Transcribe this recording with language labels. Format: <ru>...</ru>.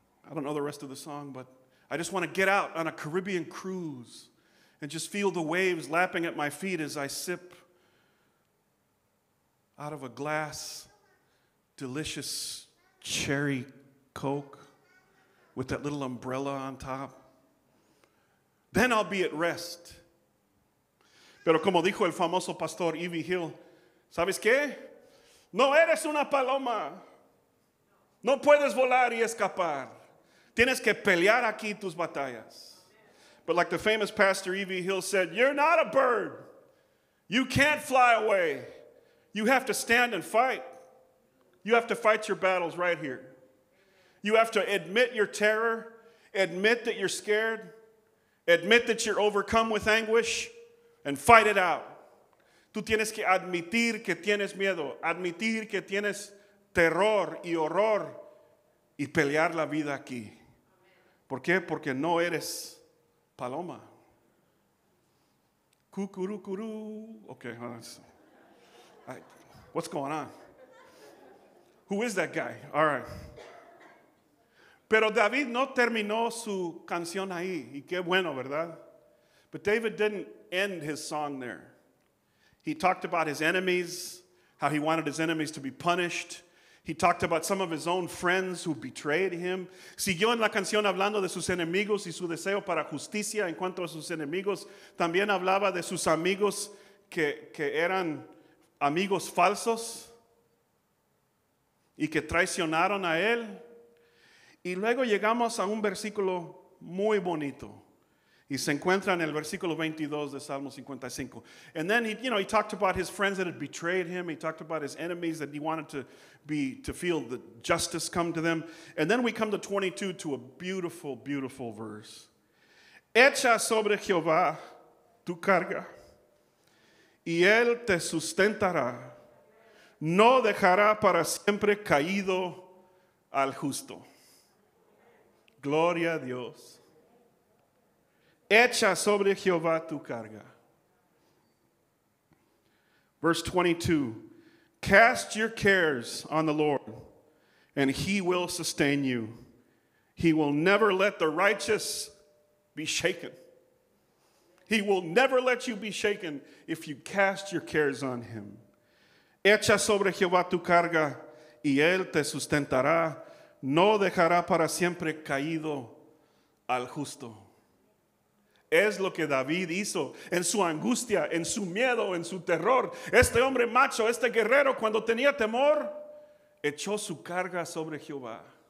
<en>I don't know the rest of the song, but I just want to get out on a Caribbean cruise and just feel the waves lapping at my feet as I sip out of a glass, delicious cherry Coke with that little umbrella on top. Then I'll be at rest.</en> <es>Pero como dijo el famoso pastor Ivy Hill, ¿sabes qué? No eres una paloma. No puedes volar y escapar. Tienes que pelear aquí tus batallas.</es> <en>But like the famous pastor Ivy Hill said, you're not a bird. You can't fly away. You have to stand and fight. You have to fight your battles right here. You have to admit your terror. Admit that you're scared. Admit that you're overcome with anguish and fight it out.</en> <es>Tú tienes que admitir que tienes miedo, admitir que tienes terror y horror y pelear la vida aquí. ¿Por qué? Porque no eres paloma.</es> <en>Cucurucurú. Okay, hold on. What's going on? Who is that guy? All right.</en> <es>Pero David no terminó su canción ahí. Y qué bueno, ¿verdad?</es> <en>But David didn't end his song there. He talked about his enemies, how he wanted his enemies to be punished. He talked about some of his own friends who betrayed him.</en> <es>Siguió en la canción hablando de sus enemigos y su deseo para justicia en cuanto a sus enemigos. También hablaba de sus amigos que eran amigos falsos y que traicionaron a él. Y luego llegamos a un versículo muy bonito. Y se encuentra en el versículo 22 de Salmo 55.</es> <en>And then he talked about his friends that had betrayed him. He talked about his enemies that he wanted to feel the justice come to them. And then we come to 22 to a beautiful, beautiful verse.</en> <es>Echa sobre Jehová tu carga, y él te sustentará. No dejará para siempre caído al justo. Gloria a Dios. Echa sobre Jehová tu carga.</es> <en>Verse 22. Cast your cares on the Lord, and he will sustain you. He will never let the righteous be shaken. He will never let you be shaken if you cast your cares on him.</en> <es>Echa sobre Jehová tu carga, y él te sustentará. No dejará para siempre caído al justo. Es lo que David hizo en su angustia, en su miedo, en su terror. Este hombre macho, este guerrero, cuando tenía temor, echó su carga sobre Jehová.</es>